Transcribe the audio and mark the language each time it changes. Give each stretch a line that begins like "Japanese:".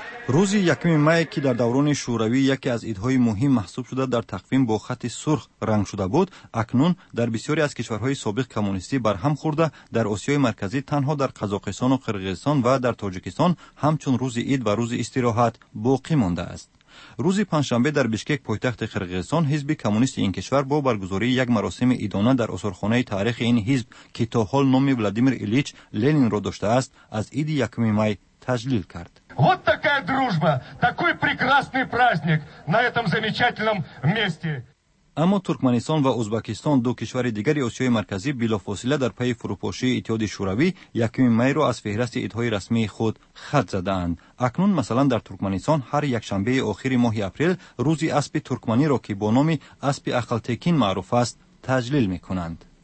Persian: روزی 1 می که در دوران شوروی یکی از عیدهای مهم محسوب شده در تقویم با خط سرخ رنگ شده بود، اکنون در بسیاری از کشورهای سابق کمونیستی برهم خورده، در آسیای مرکزی تنها در قزاقستان و قرغیزستان و در تاجیکستان همچون روز عید و روز استراحت باقی مانده است. روزی پنجشنبه در بیشکک پایتخت قرغیزستان حزب کمونیست این کشور با برگزاری یک مراسم ایدانه در آثارخانه تاریخ این حزب که تا حال نام ولادیمیر ایلیچ لنین را داشته است از عید 1 می تجلیل کرد.
Russian: Вот такая дружба, такой прекрасный праздник на этом замечательном месте.
Tajik: Аммо Туркманистон ва Узбекистон, ду кишвари дигари Осиёи марказӣ, билофосила дар пайи фурупошии Иттиҳоди Шӯравӣ 1 майро аз феҳристи идҳои расмии худ хат задаанд. Акнун масалан дар Туркманистон ҳар якшанбеи охири моҳи апрел рӯзи аспи туркманиро, ки бо номи аспи ахалтекин маъруф аст, таҷлил мекунанд.